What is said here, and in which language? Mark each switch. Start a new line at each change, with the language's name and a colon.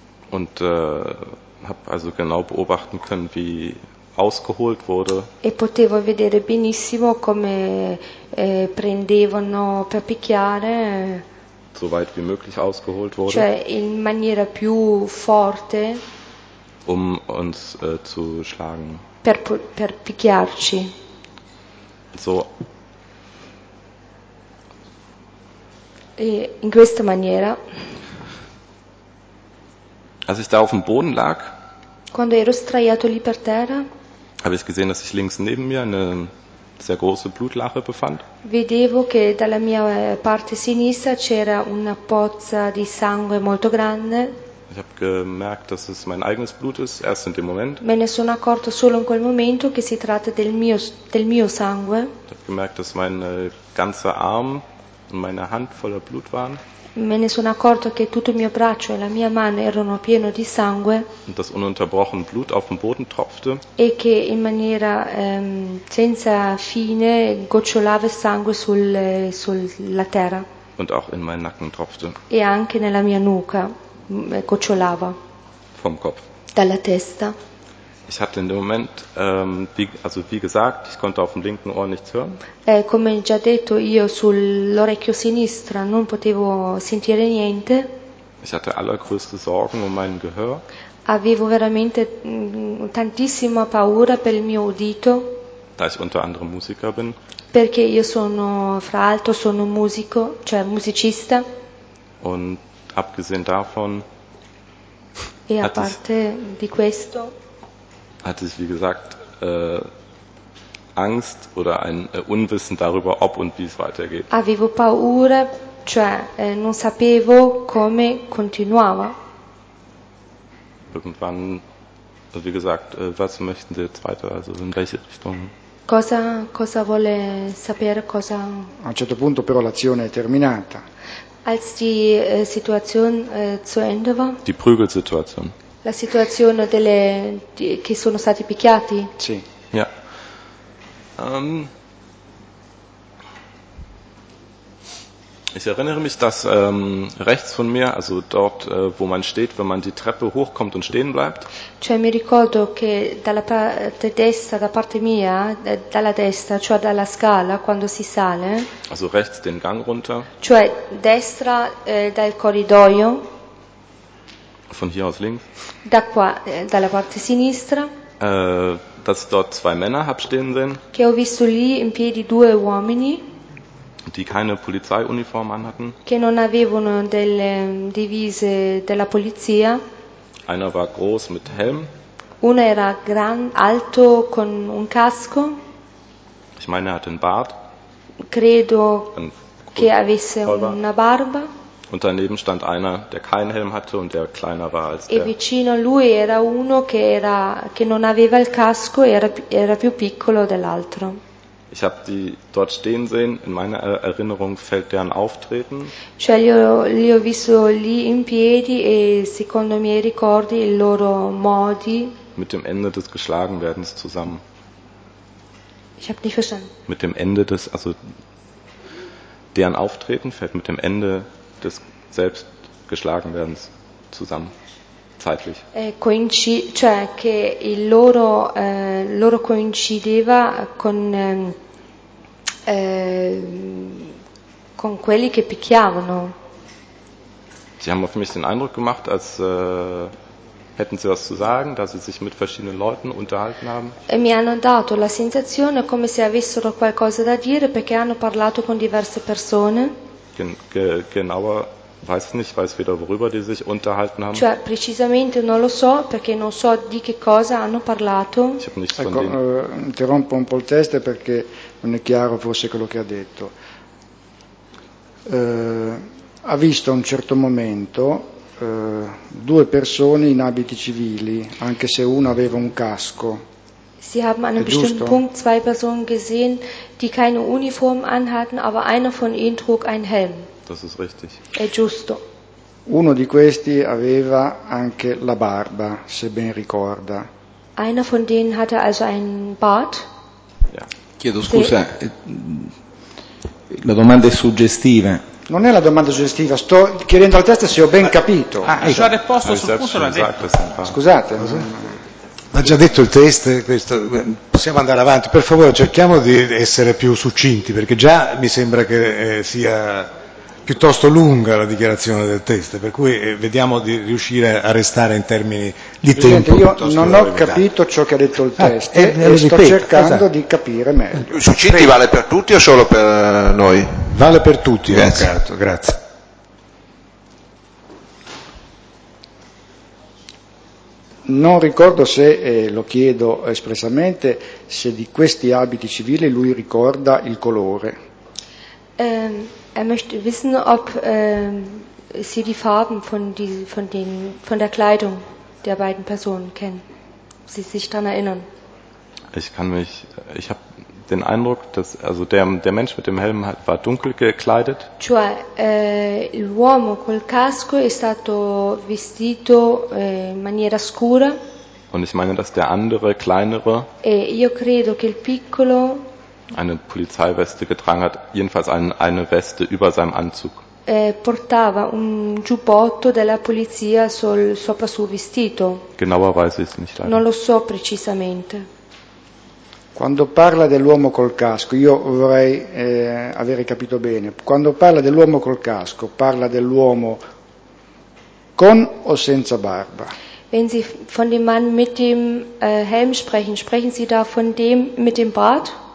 German: Und habe also genau beobachten können, wie ausgeholt wurde.
Italian: E potevo vedere benissimo come prendevano per picchiare.
German: So weit wie möglich ausgeholt wurde.
Italian: Cioè in maniera più forte.
German: Um uns zu schlagen.
Italian: Per picchiarci.
German: So.
Italian: E in questa maniera.
German: Als ich da auf dem Boden lag,
Italian: quando ero straiato lì per terra,
German: habe ich gesehen, dass sich links neben mir eine sehr große Blutlache befand.
Italian: Vedevo che dalla mia parte sinistra c'era una pozza di sangue molto grande.
German: Ich habe gemerkt, dass es mein eigenes Blut ist, erst in dem Moment.
Italian: Me ne sono accorto solo in quel momento che si tratta del mio sangue.
German: Ich habe gemerkt, dass mein ganzer Arm und meine Hand voller Blut waren.
Italian: Me ne sono accorto che tutto il mio braccio e la mia mano erano pieno di sangue.
German: Und das ununterbrochen Blut auf den Boden tropfte.
Italian: E che in maniera senza fine gocciolava sangue sulla terra.
German: Und auch in meinen Nacken tropfte.
Italian: E anche nella mia nuca gocciolava.
German: Vom Kopf.
Italian: Dalla testa.
German: Ich hatte in dem Moment, wie gesagt, ich konnte auf dem linken Ohr nichts hören.
Italian: Come già detto, io sull'orecchio sinistro non potevo sentire niente.
German: Ich hatte allergrößte Sorgen um mein Gehör.
Italian: Avevo veramente tantissima paura per il mio udito.
German: Da ich unter anderem Musiker bin.
Italian: Perché io sono, fra altro, sono musico, cioè musicista.
German: Und abgesehen davon.
Italian: E a parte di questo.
German: Hatte ich, wie gesagt, Angst oder ein Unwissen darüber, ob und wie es weitergeht.
Italian: Avevo paura, cioè non sapevo come continuava.
German: Irgendwann, wie gesagt, was möchten Sie jetzt weiter, also in welche Richtung?
Italian: Cosa vuole sapere, cosa? A un certo punto però l'azione è terminata.
German: Als die Situation zu Ende war? Die Prügelsituation.
Italian: La situazione delle che sono stati picchiati? Sì.
German: Ja. Ich erinnere mich, dass rechts von mir, also dort wo man steht, wenn man die Treppe hochkommt und stehen bleibt.
Italian: Cioè mi ricordo che dalla parte destra, da parte mia, dalla destra, cioè dalla scala quando si sale.
German: Also rechts den Gang runter.
Italian: Cioè destra dal corridoio.
German: Von hier aus links.
Italian: Da qua, dalla parte sinistra.
German: Dass ich dort zwei Männer hab stehen sehen.
Italian: Che ho visto lì in piedi due uomini.
German: Die keine Polizeiuniform anhatten.
Italian: Che non avevano delle divise della polizia.
German: Einer war groß mit Helm.
Italian: Uno era alto con un casco.
German: Ich meine, er hatte einen Bart.
Italian: Credo che avesse una barba.
German: Und daneben stand einer, der keinen Helm hatte und der kleiner war als er.
Italian: E vicino a lui era uno che non aveva il casco e era più piccolo dell'altro.
German: Ich habe die dort stehen sehen. In meiner Erinnerung fällt deren Auftreten.
Italian: Cioè li ho visto lì in piedi e secondo i miei ricordi i loro modi.
German: Mit dem Ende des Geschlagenwerdens zusammen. Ich habe nicht verstanden. Mit dem Ende des, also deren Auftreten fällt mit dem Ende des Selbstgeschlagenwerdens zusammen, zeitlich.
Italian: Cioè che il loro coincideva con quelli che picchiavano.
German: Sie haben auf mich den Eindruck gemacht, als hätten Sie was zu sagen, da Sie sich mit verschiedenen Leuten unterhalten haben.
Italian: E mi hanno dato la sensazione come se avessero qualcosa da dire perché hanno parlato con diverse persone.
German: Genauer weiß ich nicht, weiß weder worüber die sich unterhalten haben.
Italian: Cioè, precisamente non lo so perché non so di che cosa hanno parlato.
German: Ich hab nichts von denen.
Italian: Interrompo un po' il test perché non è chiaro forse quello che ha detto. Ha visto a un certo momento due persone in abiti civili, anche se una aveva un casco.
German: Sie haben an einem bestimmten Punkt zwei Personen gesehen, die keine Uniform anhatten, aber einer von ihnen trug einen Helm. Das ist richtig.
Italian: È giusto. Uno di questi aveva anche la barba, se ben ricorda.
German: Einer von denen hatte also einen Bart. Ja.
Italian: Chiedo scusa. Sì. La domanda è suggestiva. Non è la domanda suggestiva, sto chiedendo al testo se ho ben capito. Ah, già deposto sul punto l'ha detto. Scusate. Ma già detto il test, questo, possiamo andare avanti. Per favore, cerchiamo di essere più succinti, perché già mi sembra che sia piuttosto lunga la dichiarazione del test, per cui vediamo di riuscire a restare in termini di tempo. Io non ho capito ciò che ha detto il test sto cercando di capire meglio. Succinti vale per tutti o solo per noi? Vale per tutti, grazie. Non ricordo se, lo chiedo espressamente, se di questi abiti civili lui ricorda il colore.
German: Er möchte wissen, ob sie die Farben von der Kleidung der beiden Personen kennen, ob sie sich daran erinnern. Ich habe den Eindruck, dass also der Mensch mit dem Helm war dunkel gekleidet.
Italian: Cioè, l'uomo col casco è stato vestito in maniera scura.
German: Und ich meine, dass der andere kleinere.
Italian: E io credo che il piccolo
German: eine Polizeiweste getragen hat, jedenfalls eine Weste über seinem Anzug.
Italian: Portava un giubbotto della polizia sopra suo vestito.
German: Genauer weiß ich es nicht.
Italian: Non lo so precisamente. Quando parla dell'uomo col casco, io vorrei avere capito bene. Quando parla dell'uomo col casco, parla dell'uomo con o senza barba?
German: Wenn Sie von dem Mann mit dem Helm sprechen, sprechen Sie da von dem mit dem Bart?